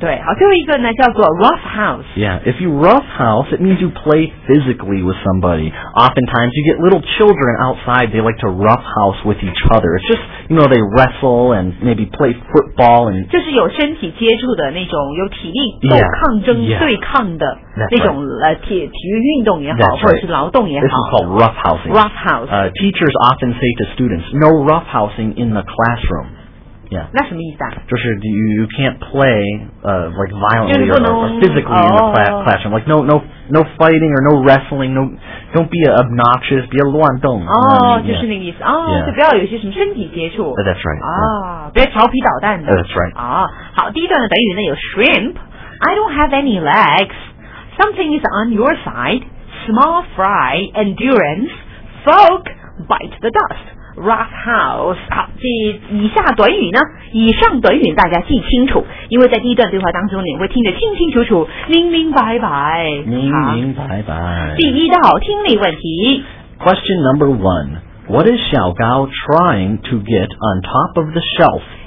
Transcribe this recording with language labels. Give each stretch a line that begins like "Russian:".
Chinese: 对，好，最后一个呢，叫做 rough house.
English: Yeah, if you rough house, it means you play physically with somebody. Oftentimes, you get little children outside. They like to rough house with each other. It's just, you know, they wrestle and maybe play football and.
Chinese: 就是有身体接触的那种，有体力斗抗争、
English: yeah.
Chinese: 对抗的那种、
English: right.
Chinese: 体育运动也好，
English: That's right.
Chinese: 或者是劳动也好。
English: This is called rough housing. Rough house. Teachers often. Say to students, no roughhousing in the classroom. Yeah.
Chinese: 那什么意思啊？就是
English: you can't play like violently or physically in the classroom. Like no fighting or no wrestling. No, don't be obnoxious.
Chinese: 别乱动。就是那个意思。就不要有些什么身体接触。
English: That's right.
Chinese: 别调皮捣蛋的。
English: That's right.
Chinese: 好，第一段的短语呢有 shrimp.
English: I don't have any legs. Something is on your side. Small fry, endurance, folk. Bite the dust, rough house.
Chinese: 好，这以下短语呢？以上短语大家记清楚，因为在第一段对话当中，你会听得清清楚楚、明明白白。明明白白。第一道听力问题。
English: Question number one: What is 小高 trying to get on top of the shelf?